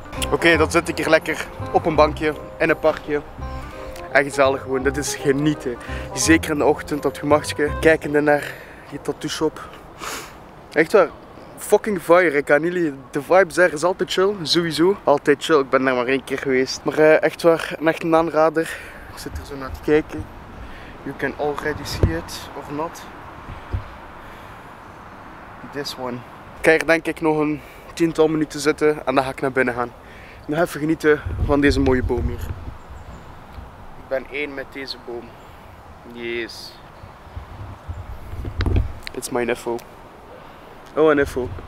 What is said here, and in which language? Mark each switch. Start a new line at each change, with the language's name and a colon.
Dutch: Oké, dan zit ik hier lekker op een bankje, in een parkje. En gezellig gewoon, dit is genieten. Zeker in de ochtend op het gemakje, kijkende naar die tattoo shop. Echt waar,
English: fucking fire,
Dutch: ik kan jullie, de vibes daar is altijd chill, sowieso. Altijd chill, ik ben daar maar één keer geweest. Maar echt waar, echt een aanrader. Ik zit er zo naar te kijken.
English: You can already see it, or not. This one.
Dutch: Ik ga hier denk ik nog een tiental minuten zitten en dan ga ik naar binnen gaan. Nog even genieten van deze mooie boom hier. Ik ben één met deze boom. Yes.
English: It's my info.
Dutch: Oh, een info.